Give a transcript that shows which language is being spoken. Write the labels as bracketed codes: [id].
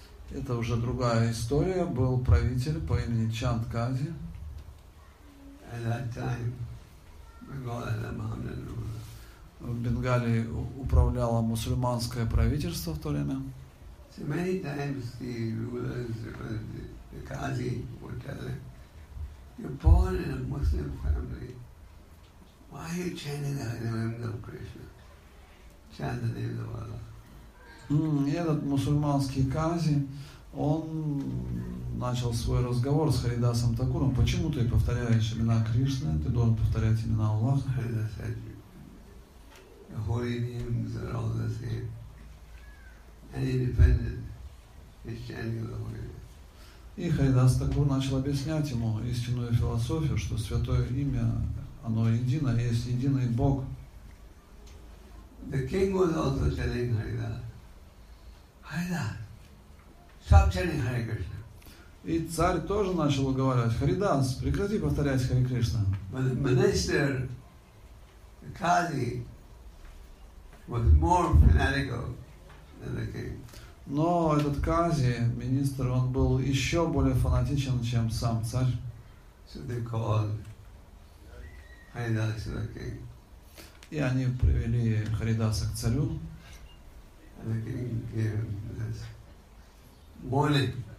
[ru] Это уже другая история. Был правитель по имени Чанд Кази. В Бенгалии управляло мусульманское правительство в то время. [en] So many times the rulers, the Qazi would tell them, you're born in a Muslim family. Why are you chanting the names of Krishna? Chant the names of Allah. [ru] И этот мусульманский Qazi, он начал свой разговор с Харидасом Такуром. Почему ты повторяешь имена Кришны? Ты должен повторять имена Аллаха. [en] The holy names are all the same. And independent is chanting the holy name. [ru] И Харидас Такур начал объяснять ему истинную философию, что Святое Имя, оно едино, есть единый Бог. [en] The king was also telling Haridas, Haridas, stop chanting Hare Krishna. [ru] И царь тоже начал уговаривать, Харидас, прекрати повторять Харе Кришна. [en] But the minister, the Qazi, was more fanatical than the king. [ru] Но этот Кази, министр, он был еще более фанатичен, чем сам царь. [en] So they called Haridas to the king. [ru] И они привели Харидаса к царю. [en] And the king gave him this warning.